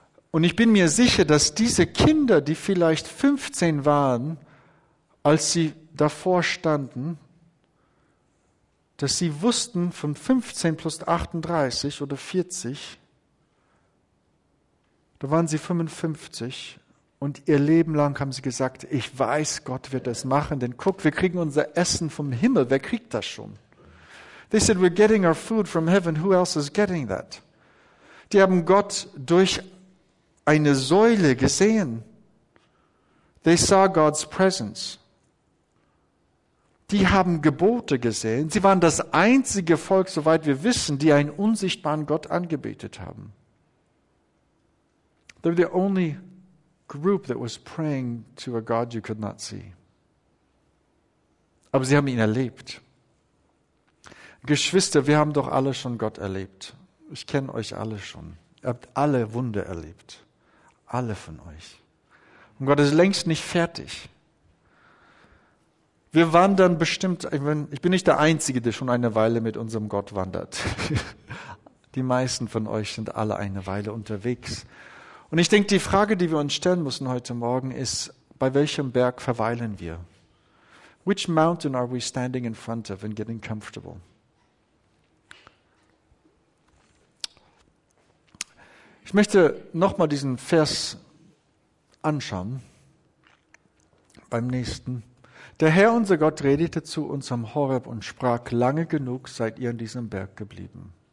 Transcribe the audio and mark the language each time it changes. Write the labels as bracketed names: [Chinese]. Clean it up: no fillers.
[German] Und ich bin mir sicher, dass diese Kinder, die vielleicht 15 waren, als sie davor standen, dass sie wussten, von 15 plus 38 oder 40, da waren sie 55 und ihr Leben lang haben sie gesagt, ich weiß, Gott wird es machen, denn guck, wir kriegen unser Essen vom Himmel, wer kriegt das schon? [English] They said, we're getting our food from heaven, who else is getting that? [German] Die haben Gott durch eine Säule gesehen. [English] They saw God's presence. [German] Die haben Gebote gesehen. Sie waren das einzige Volk, soweit wir wissen, die einen unsichtbaren Gott angebetet haben. [English] They were the only group that was praying to a God you could not see. [German] Aber sie haben ihn erlebt. Geschwister, wir haben doch alle schon Gott erlebt. Ich kenne euch alle schon. Ihr habt alle Wunder erlebt. Alle von euch. Und Gott ist längst nicht fertig. Wir wandern bestimmt, ich bin nicht der Einzige, der schon eine Weile mit unserem Gott wandert. Die meisten von euch sind alle eine Weile unterwegs. Und ich denke, die Frage, die wir uns stellen müssen heute Morgen, ist, bei welchem Berg verweilen wir? [English] Which mountain are we standing in front of and getting comfortable? [German] Ich möchte nochmal diesen Vers anschauen beim nächsten. Der Herr, unser Gott, redete zu uns am Horeb und sprach, lange genug seid ihr an diesem Berg geblieben.